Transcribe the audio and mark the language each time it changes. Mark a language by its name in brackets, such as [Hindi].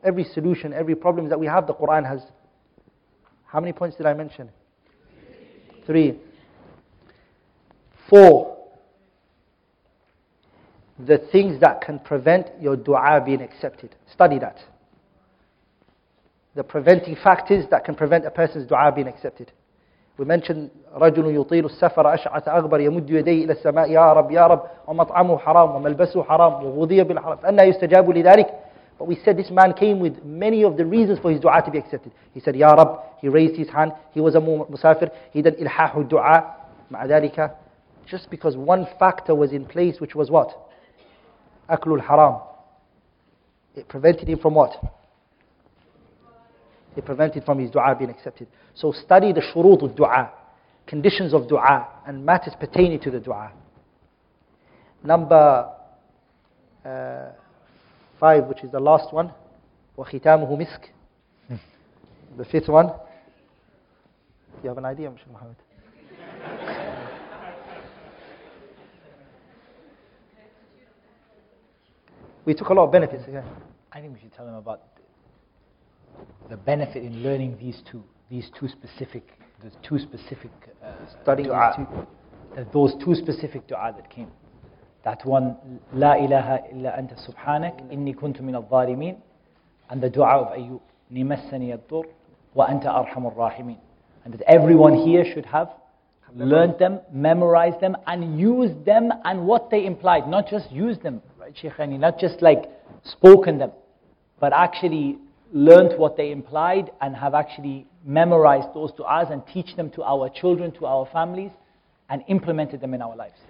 [English] Every solution, every problem that we have, the Qur'an has. How many points did I mention? Three. Four. The things that can prevent your dua being accepted. Study that. The preventing factors that can prevent a person's dua being accepted. We mentioned, [Arabic] رجل يطيل السفر أشعث أغبر يمد يديه إلى السماء يا رب يا رب ومطعمه حرام وملبسه حرام وغذي بالحرام فأنا يستجاب لذلك. [English] But we said this man came with many of the reasons for his dua to be accepted. He said, Ya Rab, he raised his hand, he was a musafir, he did ilhahu dua, ma'adhalika. Just because one factor was in place, which was what? Aklul haram. It prevented him from what? It prevented from his dua being accepted. So study the shurud of dua, conditions of dua, and matters pertaining to the dua. Number five, which is the last one, [Arabic] وَخِتَامُهُ مِسْك. [English] The fifth one, do you have an idea, Mr. Muhammad? We took a lot of benefits, yeah. I think we should tell them about the benefit in learning those two specific dua that came. That one, [Arabic] لا إله إلا أنت سبحانك إني كنت من الظالمين, [English] and the dua of Ayyub, [Arabic] نمسني الضر وأنت أرحم الراحمين. [English] And that everyone here should have learned them, memorized them, and used them, and what they implied. Not just used them, right, Shaykhani? Not just like spoken them, but actually learned what they implied and have actually memorized those du'as and teach them to our children, to our families, and implemented them in our lives.